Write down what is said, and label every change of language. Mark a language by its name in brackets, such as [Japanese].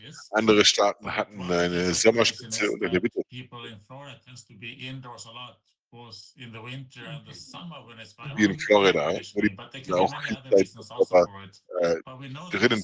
[German] Andere Staaten hatten eine Sommerspitze oder eine Winter. [English] People in Florida tends to be indoors a lot, both in the winter and the summer when it's warm. [German] Wie in Florida, wo die Menschen auch drinnen